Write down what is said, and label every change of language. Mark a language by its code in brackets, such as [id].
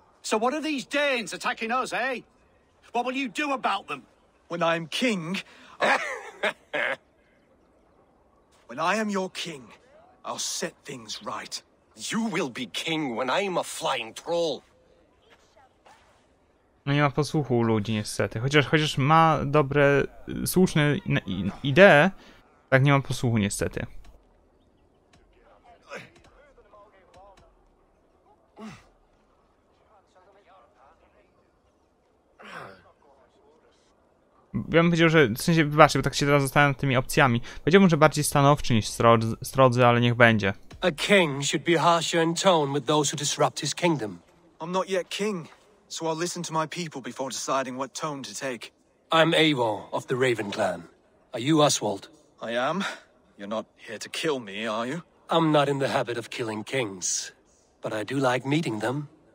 [en] So what are these Danes attacking us, eh? What will you do about them? When I'm king, when I am your king, I'll set things right. You will be king when I'm a flying troll. [pl] No nie ma posłuchu u ludzi niestety. Chociaż ma dobre, słuszne idee. Tak, nie mam posłuchu, niestety. Ja bym powiedział, że... W sensie, wybaczcie, bo tak się teraz zostałem nad tymi opcjami. Powiedziałbym, że bardziej stanowczy niż strodzy, ale niech będzie. [en] A king should be harsher in tone with those who disrupt his kingdom. I'm not yet king, so I'll listen to my people before deciding what tone to take. I'm Eivor of the Raven Clan. Are you Oswald? I am. You're not here to kill me, are you? I'm not in the habit of killing kings, but I do like meeting them.